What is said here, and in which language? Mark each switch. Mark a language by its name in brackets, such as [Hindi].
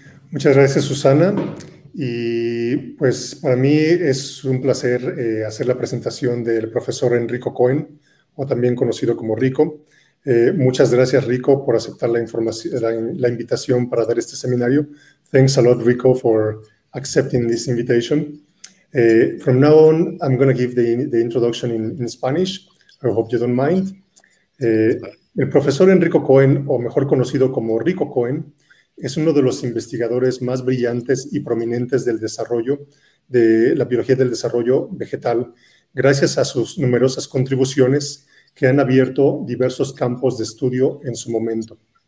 [Spanish] Muchas gracias, Susana. Y pues para mí es un placer hacer la presentación del profesor Enrico Coen, o también conocido como Rico. Muchas gracias, Rico, por aceptar la invitación para dar este seminario. [English] Thanks a lot, Rico, for accepting this invitation. From now on, I'm going to give the introduction in Spanish. I hope you don't mind. [Spanish] El profesor Enrico Coen, o mejor conocido como Rico Coen, es uno de los investigadores más brillantes y prominentes del desarrollo de la biología del desarrollo vegetal, gracias a sus numerosas contribuciones que han abierto diversos campos de estudio en su momento.